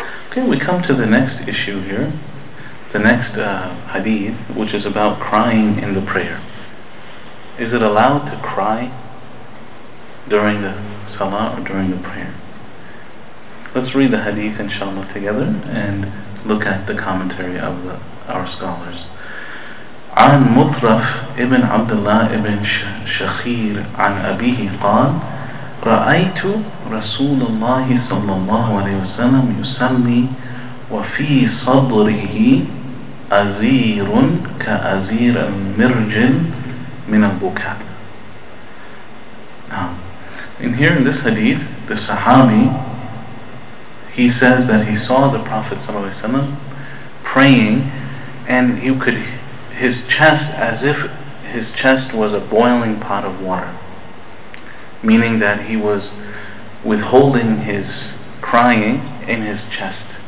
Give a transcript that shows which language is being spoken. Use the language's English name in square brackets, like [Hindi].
[English] Okay, we come to the next issue here, the next hadith, which is about crying in the prayer. Is it allowed to cry during the Salah or during the prayer? Let's read the hadith, inshallah, together and look at the commentary of our scholars. [Arabic] عن مطرف ابن عبد الله ابن شخير عن أبيه قال رأيت رسول الله صلى الله عليه وسلم يسمي وفي صدره أزير كأزير المرجل من البكاء. [English] In here in this hadith, the Sahabi, he says that he saw the Prophet ﷺ praying, and you could his chest, as if his chest was a boiling pot of water, meaning that he was withholding his crying in his chest.